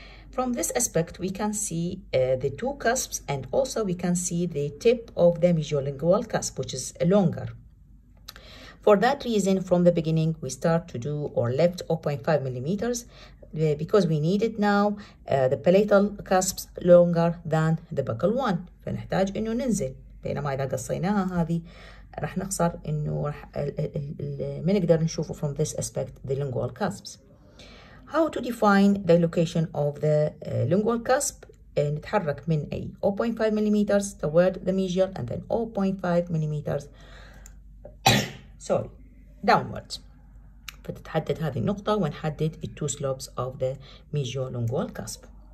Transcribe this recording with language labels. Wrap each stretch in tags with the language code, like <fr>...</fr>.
<en>From this aspect, we can see the two cusps, and also we can see the tip of the mesiolingual cusp, which is longer. For that reason, from the beginning, we start to do or left 0.5 millimeters because we need it now, the palatal cusps longer than the buccal one.</en> <ar>فنحتاج إنه ننزل. بينما إذا قصيناها هذه رح نخسر إنه رح ما نقدر نشوفه</ar> <en>from this aspect, the lingual cusps. How to define the location of the lingual cusp?</en> <ar>نتحرك من</ar> <en>A 0.5 millimeters toward the medial and then 0.5 millimeters. downwards.</en> <ar>فتتحدد هذه النقطة ونحدد</ar> <en>the two slopes of the mesiolingual cusp.</en>